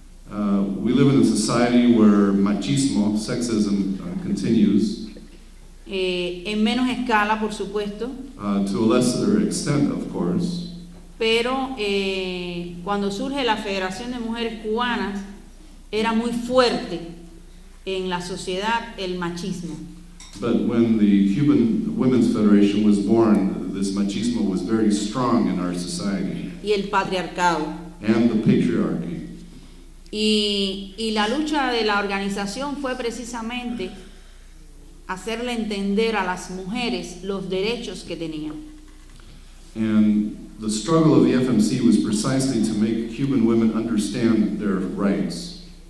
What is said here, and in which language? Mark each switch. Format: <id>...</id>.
<en>We live in a society where machismo, sexism, continues.</en> <es>En menos escala, por supuesto.</es> <en>To a lesser extent, of course.</en> <es>Pero cuando surge la Federación de Mujeres Cubanas, era muy fuerte en la sociedad el machismo.</es> <en>But when the Cuban Women's Federation was born, this machismo was very strong in our society.</en> <es>Y el patriarcado.</es> <en>And the patriarchy.</en> <es>Y la lucha de la organización fue precisamente hacerle entender a las mujeres los derechos que tenían.</es> <en>And the struggle of the FMC was precisely to make Cuban women understand their rights.</en>